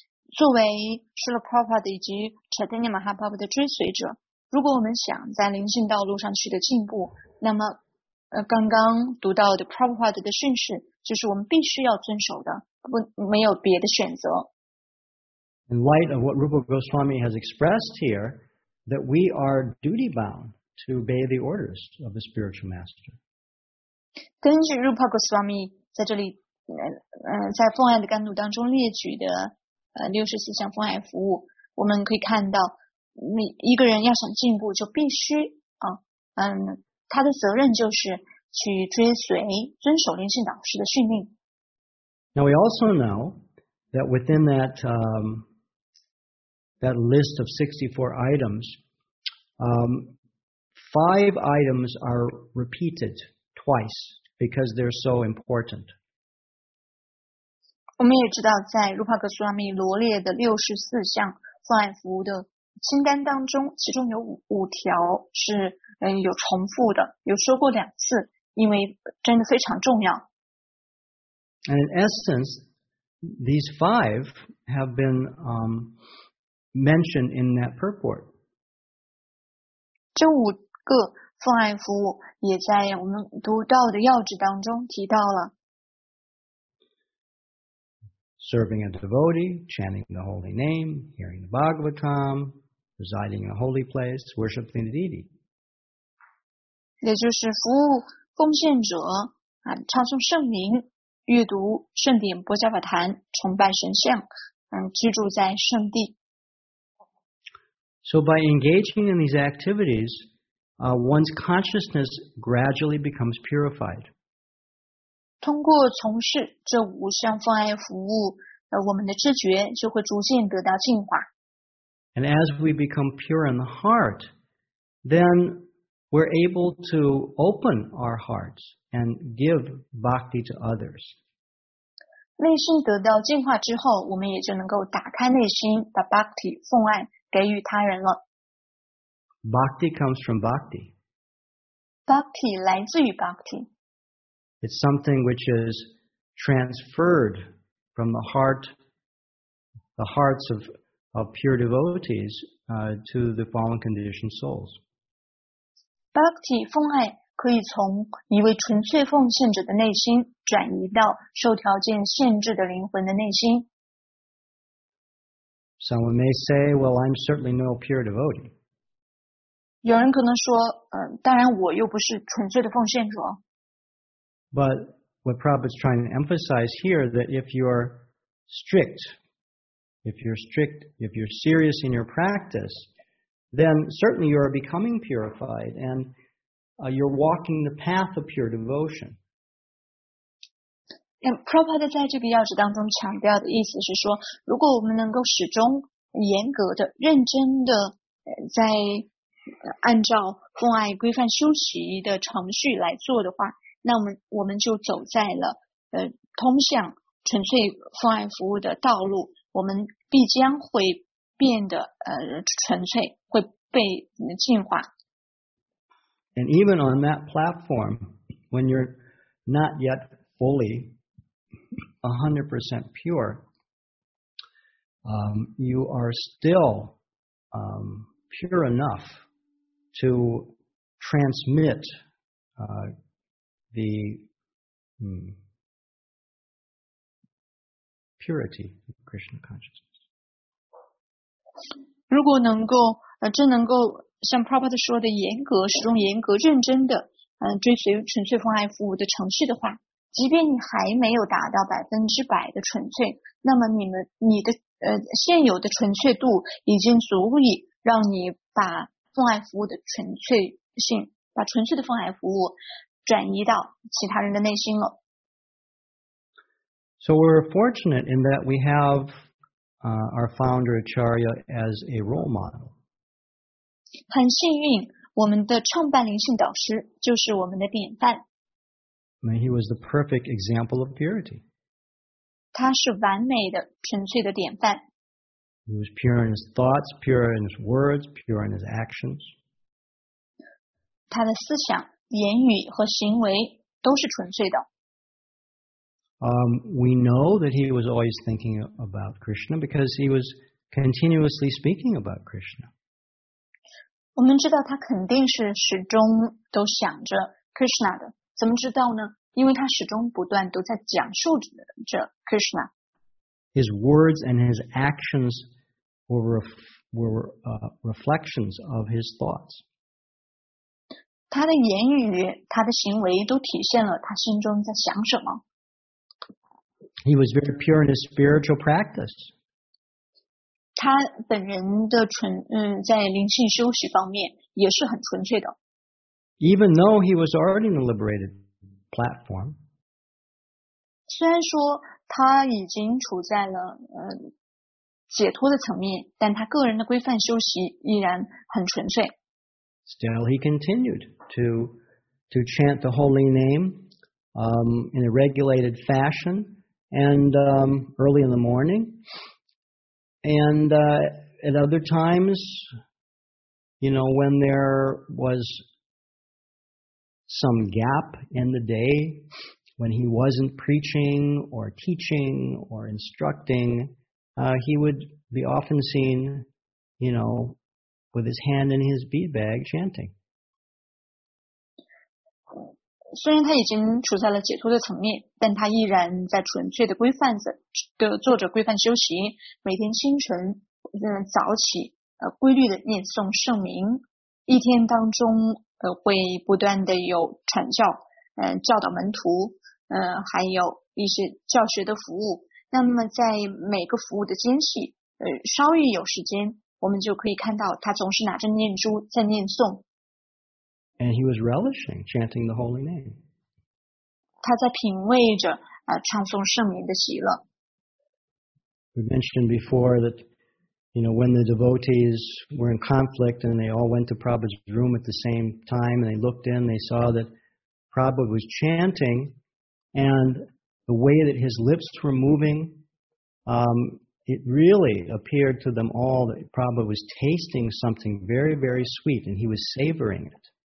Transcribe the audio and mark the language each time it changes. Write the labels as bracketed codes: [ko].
[zh] 作为 Srila Prabhupada 以及 Chaitanya Mahaprabhu 的追随者，如果我们想在灵性道路上取得进步，那么刚刚读到的 Prabhupada 的训示就是我们必须要遵守的，没有别的选择。 [en] In light of what Rupa Goswami has expressed here, that we are duty-bound to obey the orders of the spiritual master. [zh] 根据 Rupa Goswami 在这里在奉爱的甘露当中列举的64项奉爱服务，我们可以看到一个人要想进步就必须他的责任就是去追随遵守灵性导师的训令。 [en] Now we also know that within that that list of 64 items, five items are repeated twice because they're so important. [zh] 我们也知道在 Rupa Goswami 罗列的64项奉爱服务的清单当中，其中有 五条是有重复的，有说过两次，因为真的非常重要。 [en] And in essence, these five have been mentioned in that purport. [zh] 这五个奉爱服务也在我们读到的要旨当中提到了。 [en] Serving a devotee, chanting the holy name, hearing the Bhagavatam, residing in a holy place, worshiping the deity. [zh] 也就是服务奉献者，唱诵圣名，阅读圣典波迦法坛，崇拜神像，居住在圣地。 [en] So by engaging in these activities, one's consciousness gradually becomes purified. [zh] 通过从事这五项奉爱服务，我们的知觉就会逐渐得到净化。 [en] And as we become pure in the heart, then we're able to open our hearts and give bhakti to others. [zh] 内心得到净化之后，我们也就能够打开内心，把 bhakti 奉爱给予他人了。 [en] Bhakti comes from bhakti. [zh] Bhakti 来自于 bhakti. [en] It's something which is transferred from the heart, the hearts of pure devotees to the fallen conditioned souls. [zh] Bhakti, 奉爱可以从一位纯粹奉献者的内心转移到受条件限制的灵魂的内心。 [en] Someone may say, well, I'm certainly no pure devotee. [zh] 有人可能说，当然我又不是纯粹的奉献者。 [en] But what Prabhupada's trying to emphasize here that if you're serious in your practice, then certainly you are becoming purified and you're walking the path of pure devotion. And [zh] Prabhupada 在这个钥匙当中强调的意思是说，如果我们能够始终严格的、认真的在按照奉爱规范修习的程序来做的话，那我们就走在了通向纯粹奉爱服务的道路，我们必将会变得纯粹，会被净化。 [en] And even on that platform, when you're not yet fully 100% pure, you are still pure enough to transmit the purity of Krishna consciousness. [zh] 如果能够真能够像 Prabhupada 说的严格始终严格认真的追随纯粹奉爱服务的程序的话，即便你还没有达到100%的纯粹，那么你的现有的纯粹度已经足以让你把奉爱服务的纯粹性，把纯粹的奉爱服务转移到其他人的内心了。 [en] So we're fortunate in that we have our founder Acharya as a role model. [zh] 很幸运，我们的创办灵性导师就是我们的典范。 [en] He was the perfect example of purity. [zh] 他是完美的、纯粹的典范。 [en] He was pure in his thoughts, pure in his words, pure in his actions. [zh] 他的思想、言语和行为都是纯粹的。 [en] We know that he was always thinking about Krishna because he was continuously speaking about Krishna. [zh] 我们知道他肯定是始终都想着 Krishna 的，怎么知道呢？因为他始终不断都在讲述着 Krishna。 [en] His words and his actions were reflections of his thoughts. [zh] 他的言语、他的行为都体现了他心中在想什么。 [en] He was very pure in his spiritual practice. [zh] 他本人的在灵性修习方面也是很纯粹的。 [en] Even though he was already in a liberated platform, [zh] 虽然说他已经处在了解脱的层面，但他个人的规范修习依然很纯粹。 [en] Still, he continued to chant the holy name in a regulated fashion and early in the morning. And at other times, you know, when there was some gap in the day, when he wasn't preaching or teaching or instructing, he would be often seen, you know, with his hand in his bead bag chanting. [zh] 虽然他已经处在了解脱的层面，但他依然在纯粹的规范的做着规范修行，每天清晨早起规律的念诵圣名，一天当中会不断的有传教教导门徒还有一些教学的服务，那么在每个服务的间隙稍一有时间，我们就可以看到他总是拿着念珠在念诵。 [en] And he was relishing chanting the holy name. [zh] 他在品味着唱诵圣名的喜乐。 [en] We mentioned before that, you know, when the devotees were in conflict and they all went to Prabhupada's room at the same time and they looked in, they saw that Prabhupada was chanting and the way that his lips were moving, it really appeared to them all that Prabhupada was tasting something very, very sweet and he was savoring it.